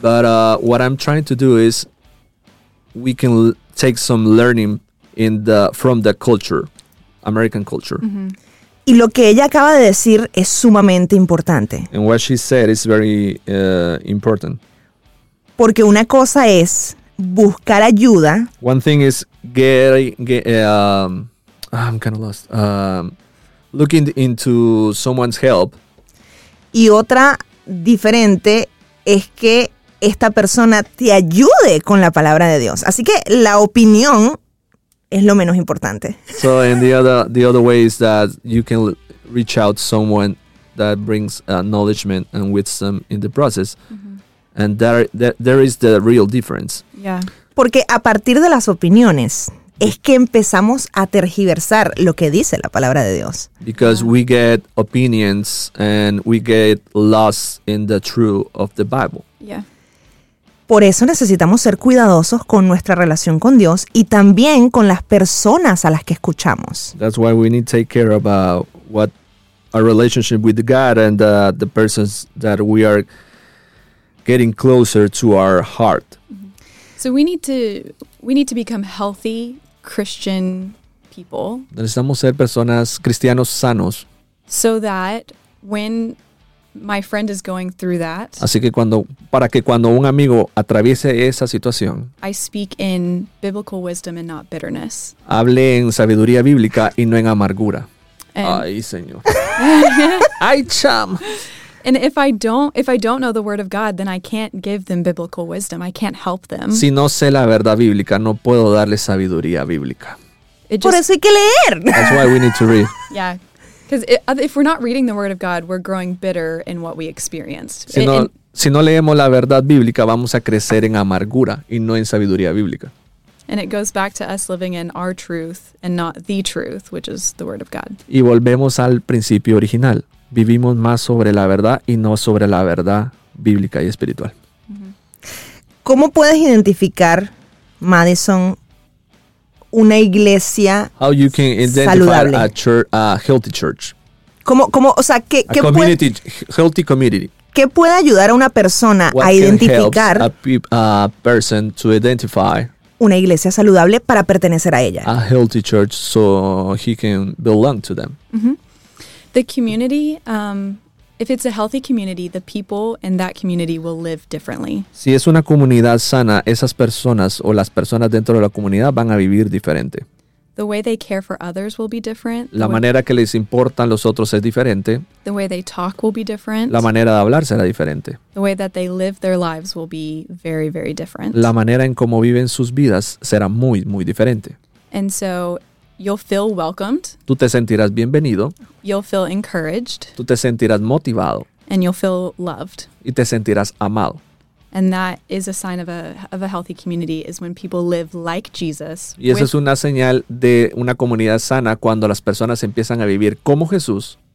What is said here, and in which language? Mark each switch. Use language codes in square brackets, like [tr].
[en] But what I'm trying to do is we can take some learning from the culture, American culture. Mm-hmm. [es] Y lo que ella acaba de decir es sumamente importante. [en] And what she said is very important. [es] Porque una cosa es buscar ayuda. [en] One thing is looking into someone's help. [es] Y otra diferente es que esta persona te ayude con la palabra de Dios. Así que la opinión es lo menos importante. [en] So, and the other way is that you can reach out someone that brings acknowledgement and wisdom in the process. Mm-hmm. And there is the real difference. Yeah. [es] Porque a partir de las opiniones es que empezamos a tergiversar lo que dice la palabra de Dios. [en] Because we get opinions and we get lost in the truth of the Bible. Yeah. [es] Por eso necesitamos ser cuidadosos con nuestra relación con Dios y también con las personas a las que escuchamos. [en] That's why we need to take care about what our relationship with God and the persons that we are getting closer to our heart. So we need to become healthy Christian people. [es] Necesitamos ser personas cristianos sanos. [en] So that when my friend is going through that. [es] Así que cuando un amigo atraviese esa situación. [en] I speak in biblical wisdom and not bitterness. [es] Hable en sabiduría bíblica y no en amargura. Ay, Señor. Ay, cham. [en] And if I don't know the word of God, then I can't give them biblical wisdom. I can't help them. [es] Si no sé la verdad bíblica, no puedo darle sabiduría bíblica. Por eso hay que leer. [en] That's why we need to read. Yeah, because if we're not reading the word of God, we're growing bitter in what we experienced. [es] Si no leemos la verdad bíblica, vamos a crecer en amargura y no en sabiduría bíblica. [en] And it goes back to us living in our truth and not the truth, which is the word of God. [es] Y volvemos al principio original. Vivimos más sobre la verdad y no sobre la verdad bíblica y espiritual. ¿Cómo puedes identificar, Madison, una iglesia saludable? [en] How you can identify [es] saludable? [en] A church, a healthy church. [es] ¿Cómo, o sea, qué [en] community, [es] puede, [en] healthy community. [es] ¿Qué puede ayudar a una persona [en] what [es] a identificar [en] a person to identify [es] una iglesia saludable para pertenecer a ella? [en] A healthy church so he can belong to them. Mm-hmm. The community, if it's a healthy community, the people in that community will live differently. [es] Si es una comunidad sana, esas personas o las personas dentro de la comunidad van a vivir diferente. [en] The way they care for others will be different. [es] La manera que les importan los otros es diferente. [en] The way they talk will be different. [es] La manera de hablar será diferente. [en] The way that they live their lives will be very, very different. [es] La manera en cómo viven sus vidas será muy, muy diferente. [en] And so you'll feel welcomed. [es] Tú te sentirás bienvenido. [en] You'll feel encouraged. [es] Tú te sentirás motivado. [en] And you'll feel loved. [es] Y te sentirás amado. [en] And that is a sign of a healthy community is when people live like Jesus. [es] Y esa es una señal de una comunidad sana cuando las personas empiezan a vivir como Jesús.